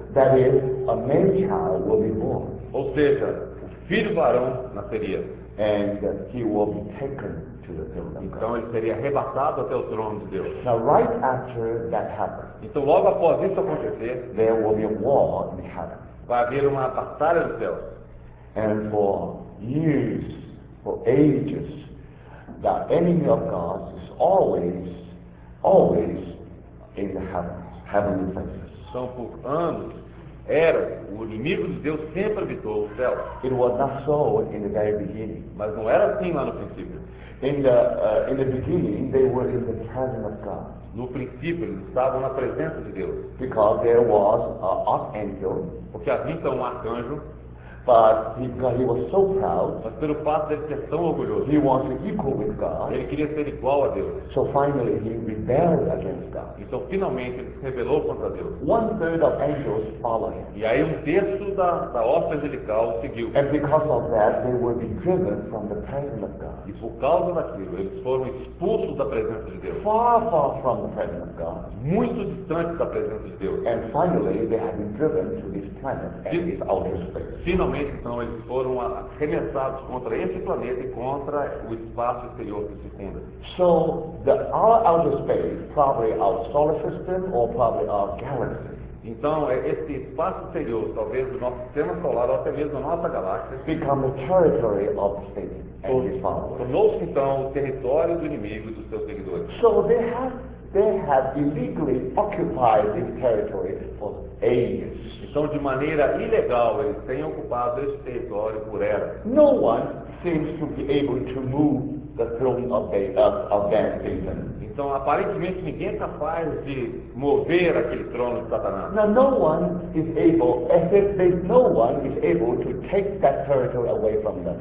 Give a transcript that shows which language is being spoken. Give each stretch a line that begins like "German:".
English: That is, a male child will be born.
Portuguese: Ou seja, o filho varão nasceria.
English: And he will be taken to the throne of God.
Portuguese: Então ele seria arrebatado até o trono de Deus.
English: Now, right after that happens,
Portuguese: então logo após isso acontecer,
English: there will be a war in heaven.
Portuguese: Vai haver uma batalha no céu.
English: And for years, for ages, the enemy of God is always, always in the heavens, heavenly places.
Portuguese: Então por anos era o inimigo de Deus sempre habitou o céu.
English: It was not so in the very beginning.
Portuguese: Mas não era assim lá no princípio.
English: In the beginning, they were in the presence of God.
Portuguese: No princípio, eles estavam na presença de Deus.
English: Because there was an archangel.
Portuguese: Porque havia então um arcanjo.
English: But because he was so proud,
Portuguese: mas pelo fato de ele ser tão orgulhoso,
English: he wanted to be equal with God.
Portuguese: Ele queria ser igual a Deus.
English: So finally, he rebelled against God.
Portuguese: Então finalmente ele se rebelou contra Deus.
English: One third of angels followed him.
Portuguese: E aí um terço da ordem angelical seguiu.
English: And because of that, they would be driven from the presence of God.
Portuguese: E por causa daquilo, eles foram expulsos da presença de Deus.
English: Far, far from the presence of God.
Portuguese: Muito distante da presença de Deus.
English: And finally, they had been driven to this planet and this outer space.
Portuguese: Então eles foram arremessados contra esse planeta e contra o espaço exterior que circunda.
English: So the outer space, probably our solar system or probably our galaxy.
Portuguese: Então é esse espaço exterior, talvez o nosso sistema solar ou até mesmo a nossa galáxia,
English: become the territory of Satan and his followers.
Portuguese: Tornou-se então o território do inimigo e dos seus seguidores.
English: So they have illegally occupied this territory for ages.
Portuguese: Então, de maneira ilegal, eles têm ocupado esse território por eras.
English: No one seems to be able to move the throne of Satan.
Portuguese: Então, aparentemente, ninguém é capaz de mover aquele trono de Satanás.
English: Now, no one is able, as if no one is able to take that territory away from them.